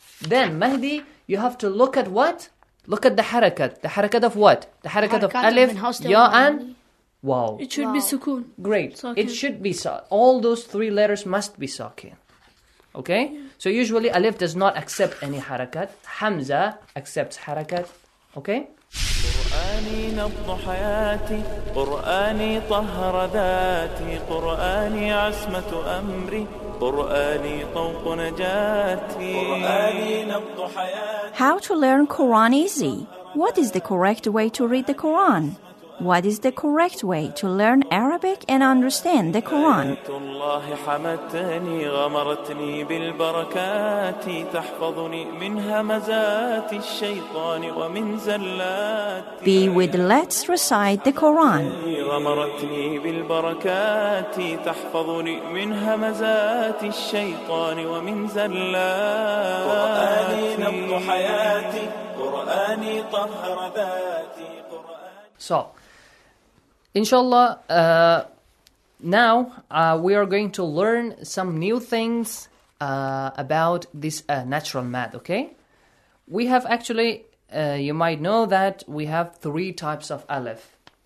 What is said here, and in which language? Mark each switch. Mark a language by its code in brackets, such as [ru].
[en] Then, Mahdi, you have to look at what? Look at the harakat. The harakat of what? The harakat of alif, ya, and waw. It should be sukun. Great. Sakin. It should be sa. All those three letters must be sakin. Okay? Yeah. So usually, alif does not accept any harakat. Hamza accepts harakat. Okay? [ar] قرآني نبض حياتي قرآني طهر ذاتي قرآني عصمة أمري قرآني طوق نجاتي قرآني نبض حياتي. [en] How to learn Quran easy? What is the correct way to read the Quran? What is the correct way to learn Arabic and understand the Quran? [ar] آيات الله حمتني غمرتني بالبركات تحفظني من همزات الشيطان ومن زلات. [en] Be with Let's Recite the Quran. [ar] غمرتني بالبركات تحفظني من همزات الشيطان ومن زلات. قرآني نبض حياتي قرآني طهر ذاتي قرآني. [en] Inshallah, now we are going to learn some new things about this natural math, okay? We have actually, you might know that we have three types of alif.